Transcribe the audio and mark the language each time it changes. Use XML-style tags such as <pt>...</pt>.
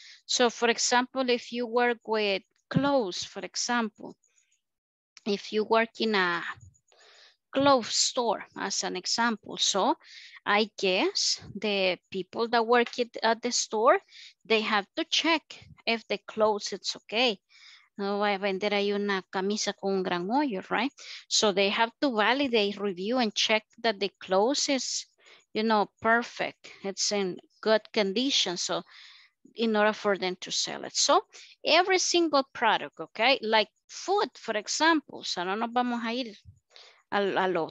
<en>So for example, if you work with clothes, for example, if you work in a clothes store, as an example. So I guess the people that work at the store, they have to check if the clothes, it's okay.</en> <es>No voy a vender ahí una camisa con un gran hoyo, right?</es> <en>So they have to validate, review, and check that the clothes is, you know, perfect. It's in good condition. So in order for them to sell it. So every single product, okay? Like food, for example.</en> <es>So no nos vamos a ir a lo,</es>